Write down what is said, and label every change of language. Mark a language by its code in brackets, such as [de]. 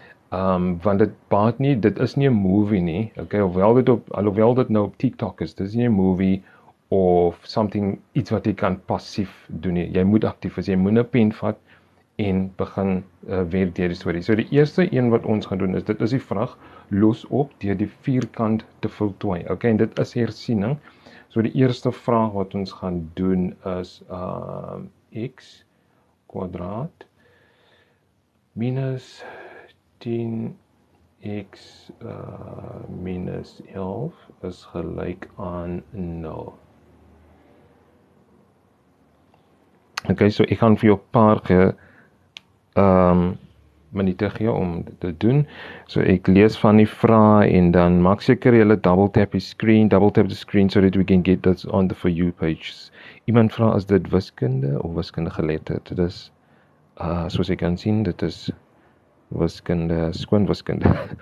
[af] Want dit baat nie, dit is nie 'n movie nie, okay, alhoewel dit nou op TikTok is, dis nie 'n movie of something, iets wat jy kan passief doen nie. Jy moet aktief wees, jy moet 'n pen vat en begin werk deur die storie. So die eerste een wat ons gaan doen is, dit is die vraag, los op deur die vierkant te voltooi. Okay, en dit is hersiening. So die eerste vraag wat ons gaan doen is x kwadraat minus 10 x minus 11 is gelijk aan 0. Ok, so ek gaan vir jou paar minute gee om dit te doen. So ek lees van die vraag en dan maak seker jy [en] double tap die screen, double tap the screen so that we can get this on the for you page. [af] Iemand vraag is dit wiskunde of wiskunde geletterd? Dit is, soos jy kan sien, dit is wiskunde, skoon wiskunde.